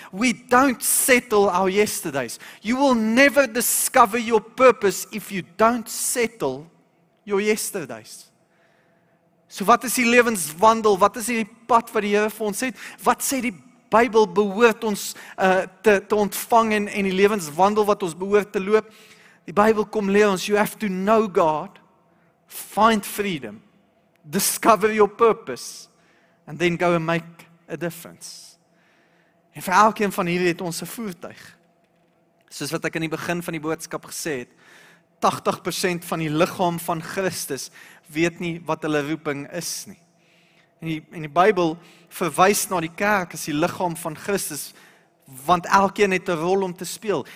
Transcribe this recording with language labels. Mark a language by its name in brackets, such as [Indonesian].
[English] We don't settle our yesterdays. You will never discover your purpose if you don't settle your yesterdays. [Afrikaans] So wat is die lewenswandel, wat is die pad wat die Heere vir ons het, wat sê die Bybel behoort ons te ontvang en die lewenswandel wat ons behoort te loop? Die Bybel kom leer ons, [English] you have to know God, find freedom, discover your purpose, and then go and make a difference. [Afrikaans] En vir elkeen van hierdie het ons 'n voertuig. Soos wat ek in die begin van die boodskap gesê het, 80% van die liggaam van Christus weet nie wat hulle roeping is nie. En die Bybel verwys na die kerk as die liggaam van Christus, want elkeen het 'n rol om te speel.